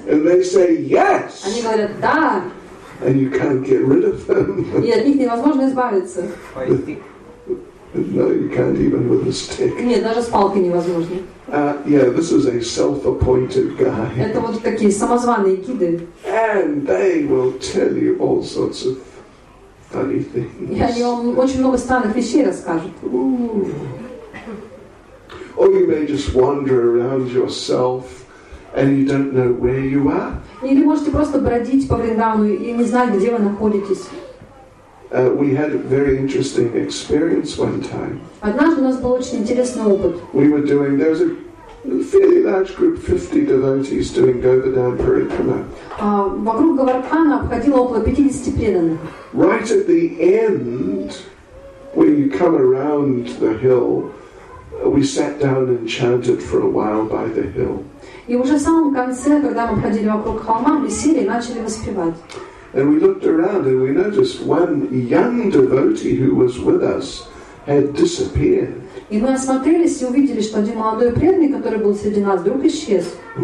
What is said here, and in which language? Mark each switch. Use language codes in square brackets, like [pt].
[en] And they say yes. [ru] Они говорят да. [en] And you can't get rid of them. [ru] И от них невозможно избавиться. [en] No, you can't even with a stick. [ru] Нет, даже с палкой невозможно. [en] Yeah, this is a self-appointed guy. [ru] Это вот такие самозваные гиды. [en] And they will tell you all sorts of funny things. [ru] И они вам очень много странных вещей расскажут. [en] Or you may just wander around yourself, and you don't know where you are. [ru] Или можете просто бродить по Вриндавану и не знать, где вы находитесь. [en] We had a very interesting experience one time. [ru] Однажды у нас был очень интересный опыт. [en] We were doing, there was a fairly large group, 50 devotees doing Govardhan Parikrama. [ru] Вокруг Говардхана обходило около 50 преданных. [en] Right at the end, when you come around the hill, we sat down and chanted for a while by the hill. [ru] И уже в самом конце, когда мы обходили вокруг холма, мы сели и начали воспевать. [en] And we looked around and we noticed one young devotee who was with us had disappeared. [ru] И мы осмотрелись и увидели, что один молодой преданный, который был среди нас, вдруг исчез.